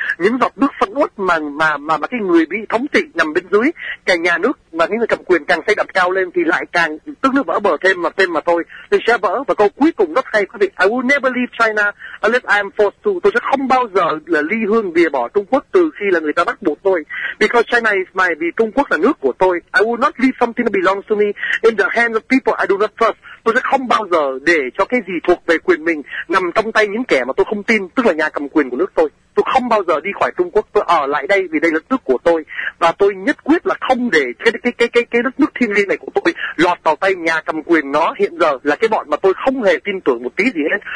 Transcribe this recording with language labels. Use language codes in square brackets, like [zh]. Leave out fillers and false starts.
[vi] Những giọt nước phân uất mà cái người bị thống trị nằm bên dưới, cái nhà nước mà những người cầm quyền càng xây đập cao lên thì lại càng tức nước vỡ bờ thêm mà thôi, thì sẽ vỡ. Và câu cuối cùng rất hay quý vị, [en] I will never leave China unless I am forced to. [vi] Tôi sẽ không bao giờ là ly hương bìa bỏ Trung Quốc từ khi là người ta bắt buộc tôi. [en] Because China is my, [vi] vì Trung Quốc là nước của tôi. [en] I will not leave something that belongs to me in the hands of people I do not trust. [vi] Tôi sẽ không bao giờ để cho cái gì thuộc về quyền mình nằm trong tay những kẻ mà tôi không tin, tức là nhà cầm quyền của nước tôi. Tôi không bao giờ đi khỏi Trung Quốc, tôi ở lại đây vì đây là đất nước của tôi. Và tôi nhất quyết là không để cái đất nước thiêng liêng này của tôi lọt vào tay nhà cầm quyền nó hiện giờ là cái bọn mà tôi không hề tin tưởng một tí gì hết.